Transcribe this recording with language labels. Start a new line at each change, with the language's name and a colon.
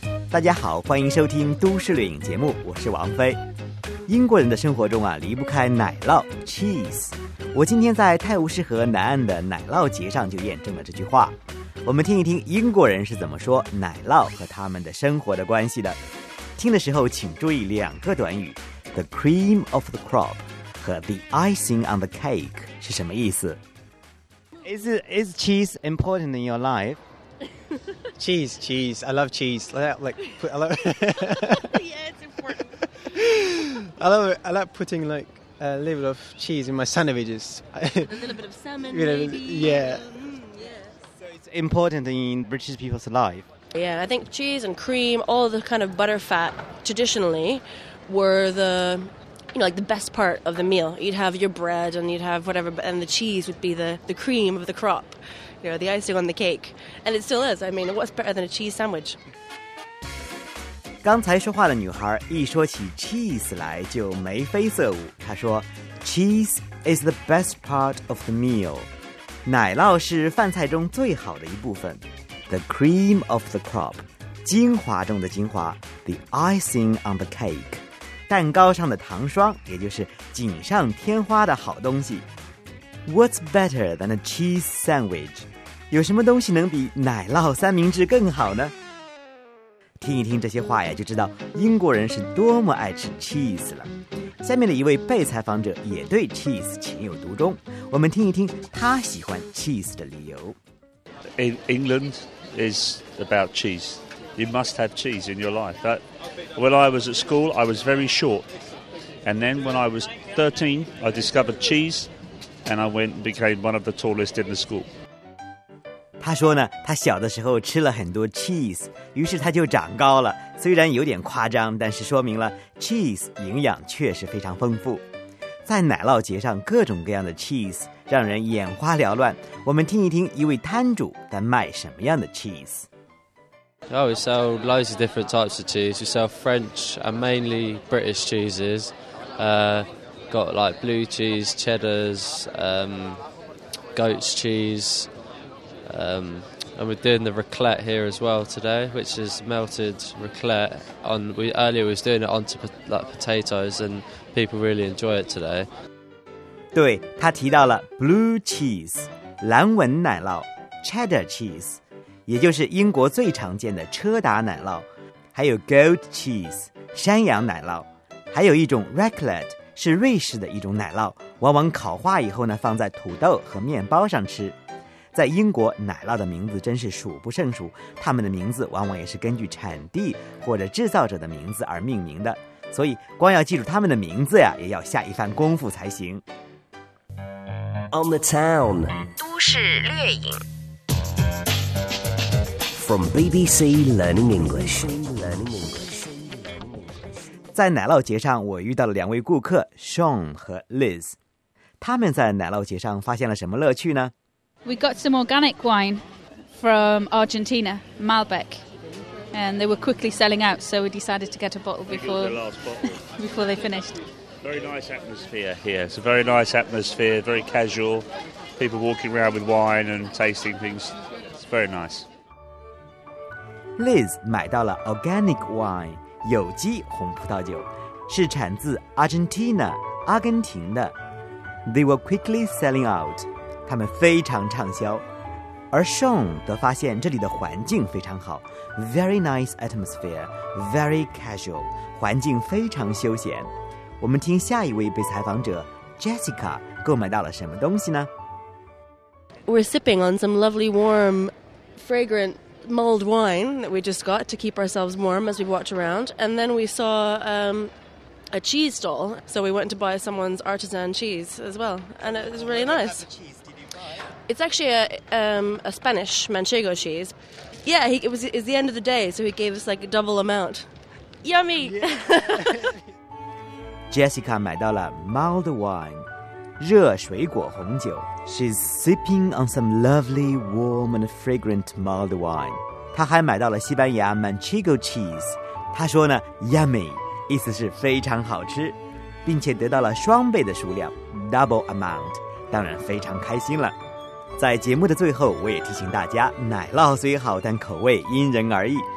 Chinese: 大家好，欢迎收听都市猎影节目，我是王飞。英国人的生活中啊，离不开奶酪 cheese。我今天在泰晤士河南岸的奶酪节上就验证了这句话。我们听一听英国人是怎么说奶酪和他们的生活的关系的。听的时候请注意两个短语 ，
English: the cream of the crop
Chinese: 和
English: the icing on the cake
Chinese: 是什么意思
English: ？Is cheese important in your life？ Cheese, I love cheese. I love yeah, it's important. I love putting like a little bit of cheese in my sandwiches. A little bit of salmon, you know, maybe. Yeah. So it's important in British people's life. Yeah, I think cheese and cream, all the kind of butter fat traditionally were the, you know, like the best part of the meal. You'd have your bread and you'd have whatever, and the cheese would be the cream of the crop. You know, the icing on the cake. And it still is. I mean, what's better than a cheese sandwich?
Chinese: 刚才说话的女孩一说起 cheese 来就眉飞色舞。她说
English: cheese is the best part of the meal.
Chinese: 奶酪是饭菜中最好的一部分。
English: The cream of the crop.
Chinese: 精华中的精华。
English: The icing on the cake.
Chinese: 蛋糕上的糖霜，也就是锦上添花的好东西。
English: What's better than a cheese sandwich?
Chinese: 有什么东西能比奶酪三明治更好呢？听一听这些话呀，就知道英国人是多么爱吃 cheese 了。下面的一位被采访者也对 cheese 情有独钟，我们听一听他喜欢 cheese 的理由。 England is about cheese. You must have cheese in your life. But when I was at school, I was very short. And then when I was 13, I discovered cheese. And I went and became one of the tallest in the school. 他说呢，他小的时候吃了很多 cheese， 于是他就长高了。虽然有点夸张，但是说明了 cheese 营养确实非常丰富。在奶酪节上，各种各样的 cheese 让人眼花缭乱。我们听一听一位摊主在卖什么样的 cheese。
English: Oh, we sell loads of different types of cheese. We sell French and mainly British cheeses. Got like blue cheese, cheddars, goat's cheese, and we're doing the raclette here as well today, which is melted raclette. Earlier we was doing it onto like potatoes, and people really enjoy it today.
Chinese: 对，他提到了 blue cheese, 蓝纹奶酪 cheddar cheese, 也就是英国最常见的车达奶酪，还有 goat cheese, 山羊奶酪，还有一种 raclette. 是瑞士的一种奶酪，往往烤化以后呢，放在土豆和面包上吃。在英国，奶酪的名字真是数不胜数，它们的名字往往也是根据产地或者制造者的名字而命名的，所以光要记住它们的名字呀，也要下一番功夫才行。
English: On the town
Chinese: 都市猎影
English: From BBC Learning English
Chinese: 在奶酪节上，我遇到了两位顾客 Sean 和 Liz， 他们在奶酪节上发现了什么乐趣呢
English: ？We got some organic wine from Argentina, Malbec, and they were quickly selling out, so we decided to get a bottle before they finished. Very nice atmosphere here. It's a very nice atmosphere. Very casual. People walking around with wine and tasting things. It's very nice.
Chinese: Liz 买到了 organic wine。有机红葡萄酒是产自 Argentina 阿根廷的
English: They were quickly selling out
Chinese: 他们非常畅销而 Sean 则发现这里的环境非常好
English: Very nice atmosphere Very casual
Chinese: 环境非常休闲我们听下一位被采访者 Jessica 购买到了什么东西呢
English: We're sipping on some lovely warm fragrantmulled wine that we just got to keep ourselves warm as we walked around and then we saw a cheese stall so we went to buy someone's artisan cheese as well and it was really nice it's actually a Spanish manchego cheese yeah it's the end of the day so he gave us like a double amount yummy Jessica
Chinese: 买到了
English: mulled wine
Chinese: 热水果红酒
English: She's sipping on some lovely, warm and fragrant mulled wine.
Chinese: 她还买到了西班牙 Manchego cheese. 她说呢 ,yummy, 意思是非常好吃。并且得到了双倍的数量 ,double amount, 当然非常开心了。在节目的最后我也提醒大家奶酪虽好但口味因人而异。